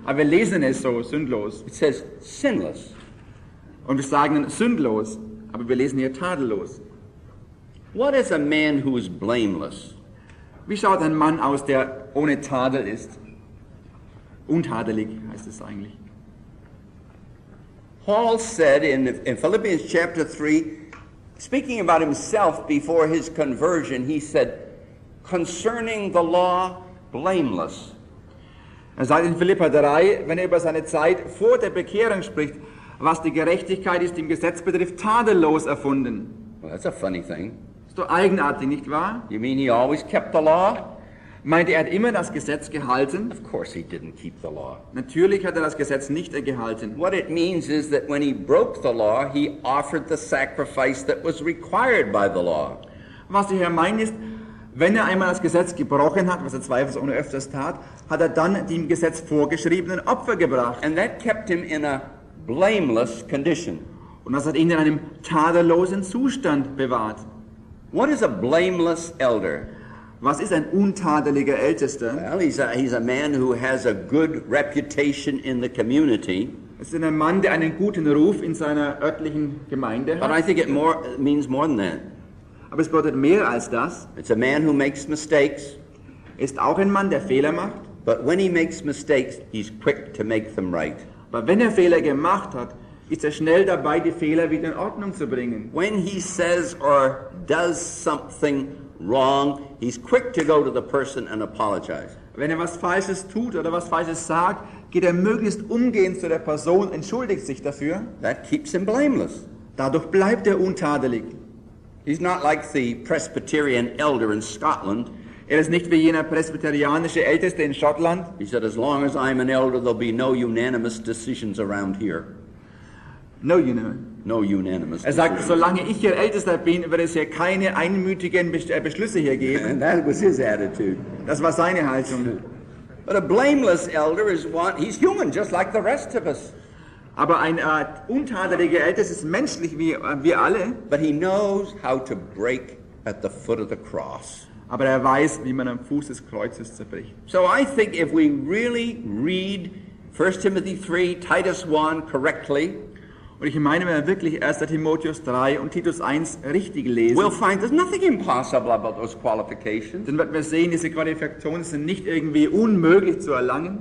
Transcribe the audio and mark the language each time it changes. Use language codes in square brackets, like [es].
[de] Aber wir lesen es so, sündlos. [en] It says sinless. [de] Und wir sagen sündlos, aber wir lesen hier tadellos. [en] What is a man who is blameless? [de] Wie schaut ein Mann aus, der ohne Tadel ist? Untadelig heißt es eigentlich. [en] Paul said in Philippians chapter 3, speaking about himself before his conversion, he said, concerning the law, blameless. [de] Er sagt in Philipper 3, wenn er über seine Zeit vor der Bekehrung spricht, was die Gerechtigkeit ist, im Gesetz betrifft, tadellos erfunden. [en] Well, that's a funny thing. [de] Ist doch eigenartig, nicht wahr? [en] You mean he always kept the law? [de] Meint er, hat immer das Gesetz gehalten? [en] Of course he didn't keep the law. [de] Natürlich hat er das Gesetz nicht gehalten. [en] What it means is that when he broke the law, he offered the sacrifice that was required by the law. [de] Was er hier meint ist, wenn er einmal das Gesetz gebrochen hat, was er zweifelsohne öfters tat, hat er dann dem Gesetz vorgeschriebenen Opfer gebracht. [en] And that kept him in a blameless condition. [de] Und das hat ihn in einem tadellosen Zustand bewahrt. [en] What is a blameless elder? [de] Was ist ein untadeliger Ältester? [en] Well, he's a man who has a good reputation in the community. [de] Es ist ein Mann, der einen guten Ruf in seiner örtlichen Gemeinde hat. [en] But I think it means more than that. [de] Aber es bedeutet mehr als das. [en] It's a man who makes mistakes. [de] ist auch ein Mann, der Fehler macht. [en] But when he makes mistakes, he's quick to make them right. [de] Aber wenn er Fehler gemacht hat, ist er schnell dabei, die Fehler wieder in Ordnung zu bringen. [en] When he says or does something wrong, he's quick to go to the person and apologize. [de] Wenn er was Falsches tut oder was Falsches sagt, geht er möglichst umgehend zu der Person, entschuldigt sich dafür. [en] That keeps him blameless. [de] Dadurch bleibt er untadelig. [en] He's not like the Presbyterian elder in Scotland. [de] Er ist nicht wie jener presbyterianische Älteste in Schottland. [en] He said, as long as I'm an elder, there'll be no unanimous decisions around here. No unanimous. No unanimous. [de] Er sagt, solange ich hier Ältester bin, wird es hier keine einmütigen Beschlüsse hier geben. [en] And that was his attitude. [de] Das war seine Haltung. [en] But a blameless elder is one. He's human, just like the rest of us. [de] Aber ein untadeliger Ältester ist menschlich wie wir alle. [en] But he knows how to break at the foot of the cross. [de] Aber er weiß, wie man am Fuß des Kreuzes zerbricht. [en] So I think if we really read 1 Timothy 3, Titus 1 correctly. [de] Und ich meine, wenn wir wirklich 1. Timotheus 3 und Titus 1 richtig lesen, [en] we'll find there's nothing impossible about those qualifications. [de] Dann werden wir sehen, diese Qualifikationen sind nicht irgendwie unmöglich zu erlangen.